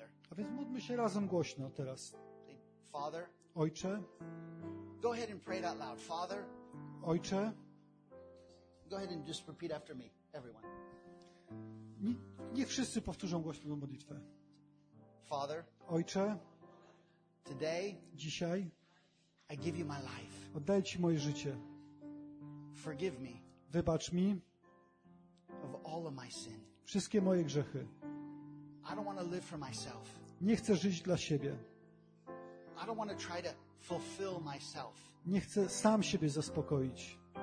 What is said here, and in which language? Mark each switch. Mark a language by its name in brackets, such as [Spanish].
[Polish] A więc módlmy się razem głośno teraz. Ojcze, [English] go ahead and pray it out loud. Father, [Polish] Ojcze, [English] go ahead and just repeat after me, everyone. [Polish] Niech wszyscy powtórzą głośno tę modlitwę. [English] Father, [Polish] Ojcze, [English] today, [Polish] dzisiaj, [English] I give you my life. [Polish] Oddaję ci moje życie. [English] Forgive me. [Polish] Wybacz mi. [English] Of all of my sin. [Polish] Wszystkie moje grzechy. [English] I don't want to live for myself. [Polish] Nie chcę żyć dla siebie. [English] I don't want to try to fulfill myself. [Polish] Nie chcę sam siebie zaspokoić.